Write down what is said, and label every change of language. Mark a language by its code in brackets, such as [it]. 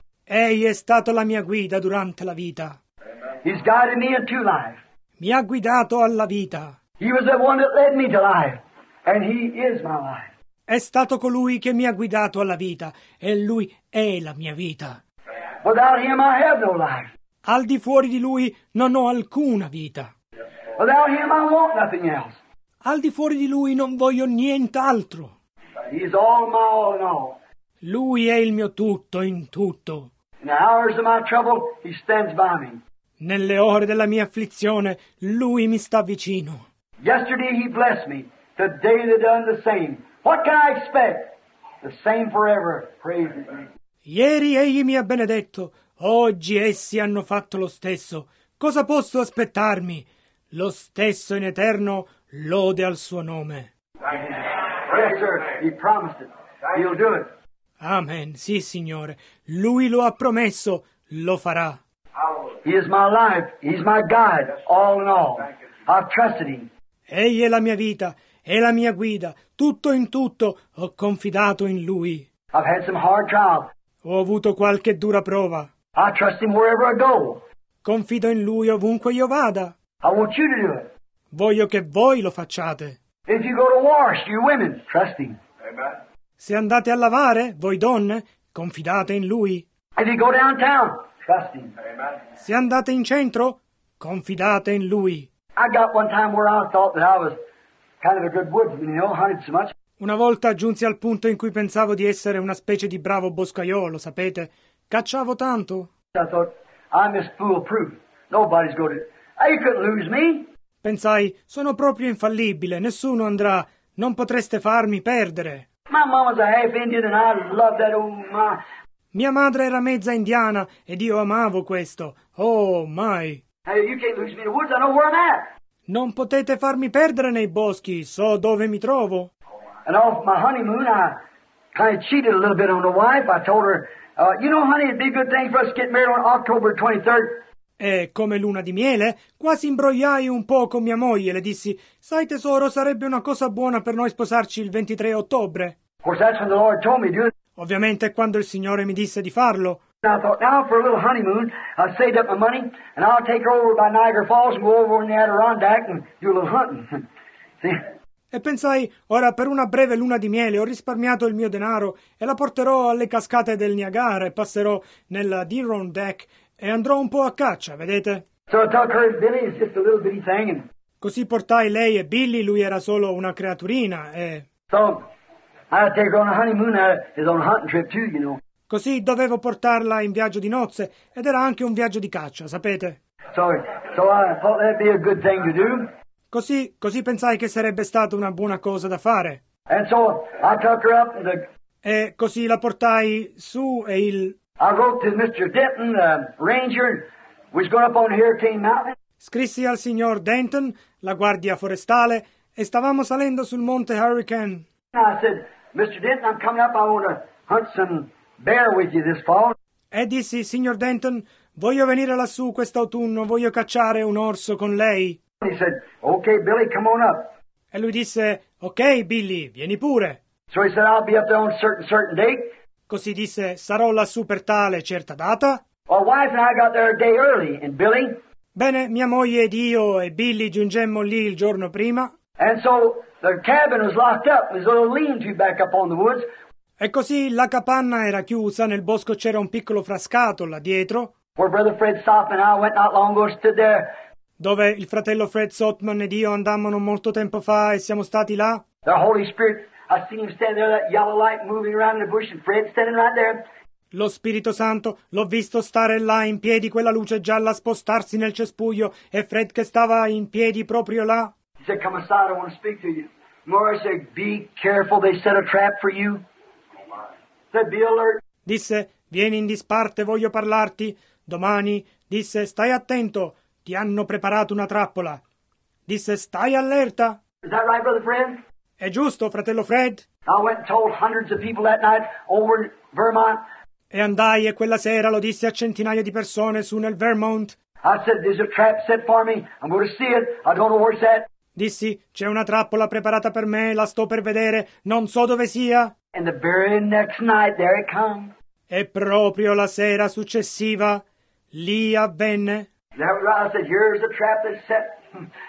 [it] Egli è stato la mia guida durante la vita. [en] He's guided me into life. [it] Mi ha guidato alla vita. [en] He was the one that led me to life, and he is my life. [it] È stato colui che mi ha guidato alla vita, e lui è la mia vita. [en] Without him I have no life. [it] Al di fuori di lui non ho alcuna vita. [en] Without him I want nothing else. [it] Al di fuori di lui non voglio nient'altro. [en] He is all my all in all. [it] Lui è il mio tutto in tutto. [en] In the hours of my trouble, he stands by me. [it] Nelle ore della mia afflizione, Lui mi sta vicino. [en] Yesterday He blessed me. Today they've done the same. What can I expect? The same forever. Praise me. [it] Ieri Egli mi ha benedetto. Oggi essi hanno fatto lo stesso. Cosa posso aspettarmi? Lo stesso in eterno lode al Suo nome. [en] Yes, sir. He promised it. He'll do it. [it] Amen. Sì, Signore. Lui lo ha promesso. Lo farà. [en] He is my life. He is my guide, all in all. I've trusted Him. [it] Egli è la mia vita. È la mia guida. Tutto in tutto ho confidato in Lui. [en] I've had some hard trials. [it] Ho avuto qualche dura prova. [en] I trust Him wherever I go. [it] Confido in Lui ovunque io vada. [en] I want you to do it. [it] Voglio che voi lo facciate. [en] If you go to wash, you women, trust Him. [it] Se andate a lavare, voi donne, confidate in Lui. [en] If you go downtown, trust Him. [it] Se andate in centro, confidate in Lui. [en] I got one time where I thought that I was kind of a good woodsman, you know, hunted so much. [it] Una volta giunsi al punto in cui pensavo di essere una specie di bravo boscaiolo, sapete? Cacciavo tanto. [en] I thought, I'm just foolproof. Nobody's gonna... You couldn't lose me. [it] Pensai, sono proprio infallibile, nessuno andrà, non potreste farmi perdere. [en] My mama's a half Indian and I love that, oh my... [it] Mia madre era mezza indiana ed io amavo questo. [en] Oh my... Hey, you can't lose me in the woods, I know where I'm at. [it] Non potete farmi perdere nei boschi, so dove mi trovo. [en] And off my honeymoon, I kind of cheated a little bit on the wife. I told her, you know, honey, it'd be a good thing for us to get married on October 23rd. [it] E come luna di miele, quasi imbrogliai un po' con mia moglie. Le dissi, sai tesoro, sarebbe una cosa buona per noi sposarci il 23 ottobre. [en] Of course, that's when the Lord told me, dude. [it] Ovviamente quando il Signore mi disse di farlo. [en] And I thought, now for a little honeymoon, I saved up my money, and I'll take her over by Niagara Falls and go over in the Adirondack and do a little hunting. See? [it] E pensai, ora per una breve luna di miele ho risparmiato il mio denaro e la porterò alle cascate del Niagara e passerò nella Adirondack e andrò un po' a caccia, vedete? [en] So I took her and Billy, it's just a little bitty thing. [it] Così portai lei e Billy, lui era solo una creaturina e... [en] So, I take her on a honeymoon, it's on a hunting trip too, you know. [it] Così dovevo portarla in viaggio di nozze ed era anche un viaggio di caccia, sapete? [en] So I thought that'd be a good thing to do. [it] Così pensai che sarebbe stata una buona cosa da fare. [en] And so I took her up the... [it] E così la portai su e il... [en] I wrote to Mr. Denton, the ranger, which going up on Hurricane Mountain. [it] Scrissi al signor Denton, la guardia forestale, e stavamo salendo sul monte Hurricane. [en] And I said, Mr. Denton, I'm coming up, I want to hunt some bear with you this fall. [it] E dissi, signor Denton, voglio venire lassù quest'autunno, voglio cacciare un orso con lei. [en] He said, okay, Billy, come on up. [it] E lui disse, ok, Billy, vieni pure. [en] So he said, I'll be up there on a certain date. [it] Così disse, sarò lassù per tale certa data. [en] Well, wife and I got there a day early, and Billy. [it] Bene, mia moglie ed io e Billy giungemmo lì il giorno prima. [en] And so the cabin was locked up, there's a little lean-to back up on the woods. [it] E così la capanna era chiusa, nel bosco c'era un piccolo frascato là dietro. [en] Where Brother Fred Sopman and I went not long ago, stood there. [it] Dove il fratello Fred Sotman ed io andammo non molto tempo fa e siamo stati là. [en] The Holy Spirit, I seen him stand there, that yellow light moving around in the bush, and Fred standing right there. [it] Lo Spirito Santo, l'ho visto stare là in piedi, quella luce gialla spostarsi nel cespuglio, e Fred che stava in piedi proprio là. [en] He said, come aside, I want to speak to you. Morris said, be careful, they set a trap for you. [it] Disse, vieni in disparte, voglio parlarti. Domani, disse, stai attento, ti hanno preparato una trappola. Disse, stai allerta. [en] Is that right, Brother Fred? [it] È giusto, fratello Fred? [en] I went and told hundreds of people that night over in Vermont. [it] E andai e quella sera lo dissi a centinaia di persone su nel Vermont. [en] I said, there's a trap set for me, I'm going to see it, I don't know where it's at. [it] Dissi, c'è una trappola preparata per me, la sto per vedere, non so dove sia. [en] And the very next night, there it come. [it] E proprio la sera successiva, lì avvenne. [en] That was right. I said, here's the trap that's set.